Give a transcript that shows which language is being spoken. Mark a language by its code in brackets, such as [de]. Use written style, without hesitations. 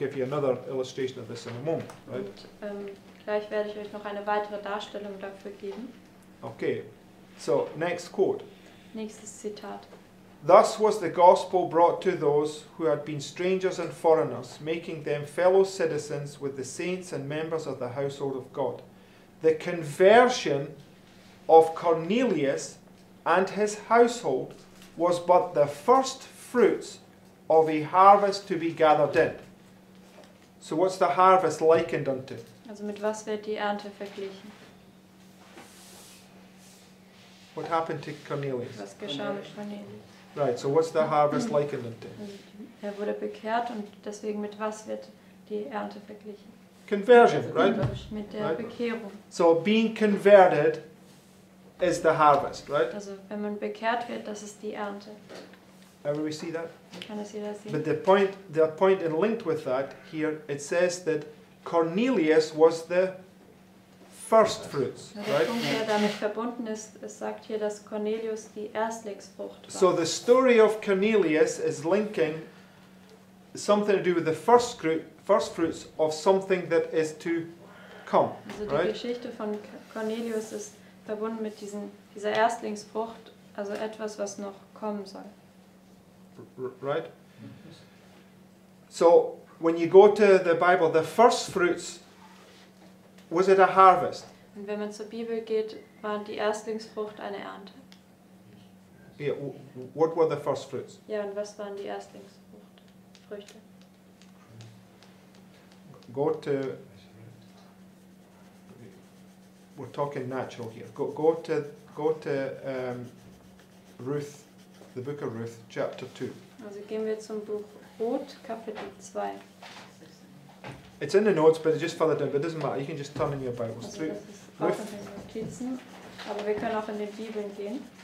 [en] I'll give you another illustration of this in a moment, right? [de] Und, gleich werde ich euch noch eine weitere Darstellung dafür geben. [en] Okay, so next quote. [de] Nächstes Zitat. [en] Thus was the gospel brought to those who had been strangers and foreigners, making them fellow citizens with the saints and members of the household of God. The conversion of Cornelius and his household was but the first fruits of a harvest to be gathered in. So what's the harvest likened unto? [de] Also mit was wird die Ernte verglichen? [en] What happened to Cornelius? [de] Was geschah mit Cornelius? [en] Right, so what's the harvest likened unto? [de] Er wurde bekehrt und deswegen mit was wird die Ernte verglichen? [en] Conversion, [de] also [en] right? [de] Mit der Bekehrung. [en] So being converted is the harvest, right? [de] Also, wenn man bekehrt wird, das ist die Ernte. [en] Can we see that? [de] Kann ich das sehen? [en] But the point and linked with that here, it says that Cornelius was the first fruits, right? [de] Der Punkt, der damit verbunden ist, es sagt hier, dass Cornelius die Erstlingsfrucht war. [en] So the story of Cornelius is linking something to do with the first fruits of something that is to come. [de] Also die [en] right? [de] Geschichte von Cornelius ist verbunden mit dieser Erstlingsfrucht, also etwas, was noch kommen soll. [en] Right? So when you go to the Bible, the first fruits, was it a harvest? [de] Und wenn man zur Bibel geht, waren die Erstlingsfrucht eine Ernte. [en] Yeah, what were the first fruits? [de] Ja, und was waren die Erstlingsfrucht? Früchte. [en] Go to, we're talking natural here. Go to Ruth, the book of Ruth, chapter 2. [de] Also gehen wir zum Buch Ruth, Kapitel 2. [en] It's in the notes, but it's just further down, but it doesn't matter. You can just turn in your Bibles. Also, through. [de] Das ist auch in den Notizen, aber wir können auch in den Bibeln gehen.